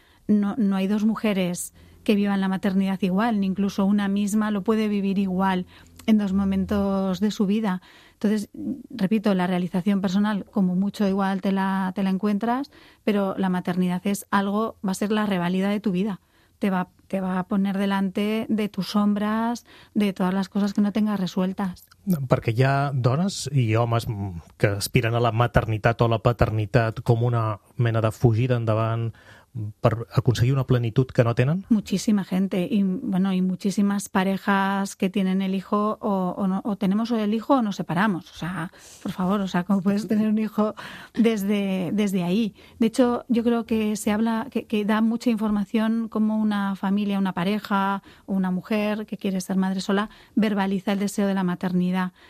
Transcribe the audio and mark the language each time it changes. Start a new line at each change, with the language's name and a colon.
Spanish: No hay dos mujeres que vivan la maternidad igual, ni incluso una misma lo puede vivir igual en dos momentos de su vida. Entonces, repito, la realización personal, como mucho igual te la encuentras, pero la maternidad es algo, va a ser la reválida de tu vida. Te va a poner delante de tus sombras, de todas las cosas que no tengas resueltas.
Catalan: Perquè hi ha dones i homes que aspiren a la maternitat o la paternitat com una mena de fugida endavant per aconseguir una plenitud que no tenen?
Spanish: Muchísima gente y bueno, y muchísimas parejas que tienen el hijo o tenemos el hijo o nos separamos, o sea, por favor, o sea, ¿cómo puedes tener un hijo desde ahí? De hecho, yo creo que se habla que da mucha información como una familia, una pareja o una mujer que quiere ser madre sola verbaliza el deseo de la maternidad.